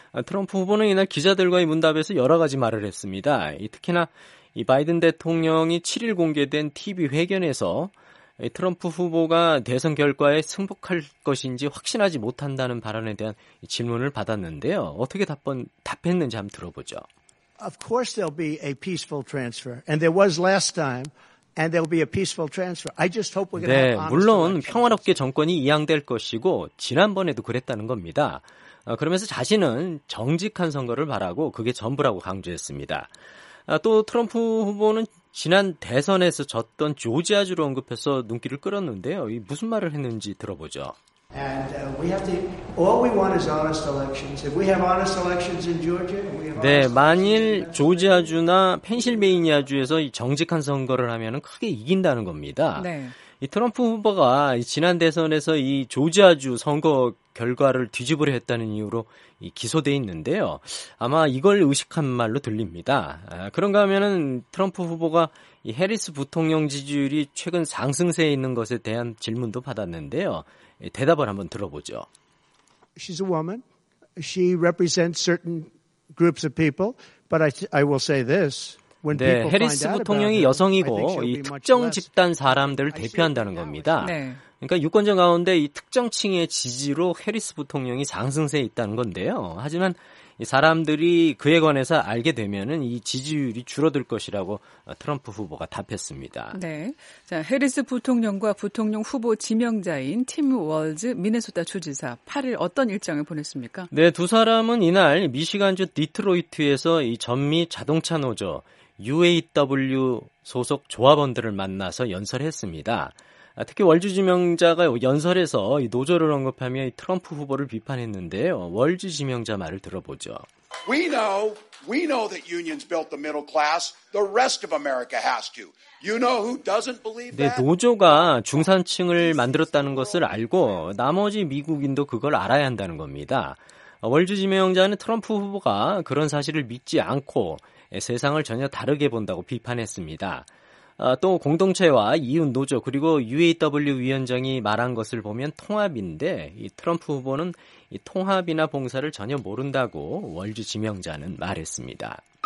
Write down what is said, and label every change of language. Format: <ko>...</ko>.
<ko>트럼프 후보는 이날 기자들과의 문답에서 여러 가지 말을 했습니다. 특히나 이 바이든 대통령이 7일 공개된 TV 회견에서 트럼프 후보가 대선 결과에 승복할 것인지 확신하지 못한다는 발언에 대한 질문을 받았는데요. 어떻게 답했는지 한번 들어보죠.</ko> <en>Of course there'll be a peaceful transfer. And there was last time. And there'll be a peaceful transfer. I just hope we're going to have honest</en> <ko>네, 물론 평화롭게 정권이 이양될 것이고 지난번에도 그랬다는 겁니다. 그러면서 자신은 정직한 선거를 바라고 그게 전부라고 강조했습니다. 또 트럼프 후보는 지난 대선에서 졌던 조지아주로 언급해서 눈길을 끌었는데요. 무슨 말을 했는지 들어보죠.</ko> <en>And we have to. All we want is honest elections. If we have honest elections in Georgia, we have.</en> <ko>네, 만일 조지아주나 펜실베이니아주에서 정직한 선거를 하면은 크게 이긴다는 겁니다. 네. 이 트럼프 후보가 지난 대선에서 이 조지아주 선거 결과를 뒤집으려 했다는 이유로 기소돼 있는데요. 아마 이걸 의식한 말로 들립니다. 그런가 하면은 트럼프 후보가 이 해리스 부통령 지지율이 최근 상승세에 있는 것에 대한 질문도 받았는데요. 대답을 한번 들어보죠.</ko> <en>She's a woman. She represents certain groups of people, but I will say this.</en> <ko>네, 해리스 부통령이 여성이고 이 특정 집단 사람들을 대표한다는 겁니다. 그러니까 유권자 가운데 이 특정 층의 지지로 해리스 부통령이 상승세에 있다는 건데요. 하지만 사람들이 그에 관해서 알게 되면은 이 지지율이 줄어들 것이라고 트럼프 후보가 답했습니다. 네. 자, 해리스 부통령과 부통령 후보 지명자인 팀 월즈 미네소타 주지사 8일 어떤 일정을 보냈습니까? 네, 두 사람은 이날 미시간주 디트로이트에서 이 전미 자동차 노조 UAW 소속 조합원들을 만나서 연설했습니다. 특히 월즈 지명자가 연설에서 노조를 언급하며 트럼프 후보를 비판했는데요. 월즈 지명자 말을 들어보죠.</ko> <en>We know that unions built the middle class. The rest of America has to. You know who doesn't believe that?</en> <ko>네, 노조가 중산층을 만들었다는 것을 알고 나머지 미국인도 그걸 알아야 한다는 겁니다. 월즈 지명자는 트럼프 후보가 그런 사실을 믿지 않고 세상을 전혀 다르게 본다고 비판했습니다. 또 공동체와 이웃 노조 그리고 UAW 위원장이 말한 것을 보면 통합인데 이 트럼프 후보는 이 통합이나 봉사를 전혀 모른다고 월주 지명자는 말했습니다.</ko>